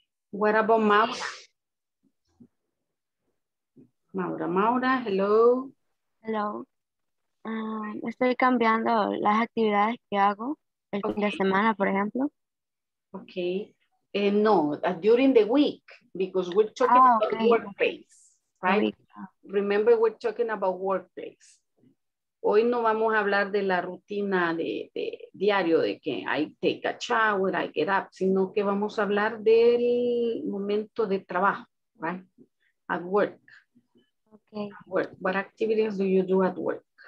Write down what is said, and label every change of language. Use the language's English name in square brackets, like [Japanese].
[English] What about Maura? Maura, Maura, hello. Hello. [Spanish] Estoy cambiando las actividades que hago el fin de semana, por ejemplo. [English] Okay. No, during the week, because we're talking about workplace, right? Remember, we're talking about workplace. [Spanish] Hoy no vamos a hablar de la rutina de diario, de que [English] I take a shower, I get up, [Spanish] sino que vamos a hablar del momento de trabajo, right? [English] At work. Okay. At work. What activities do you do at work?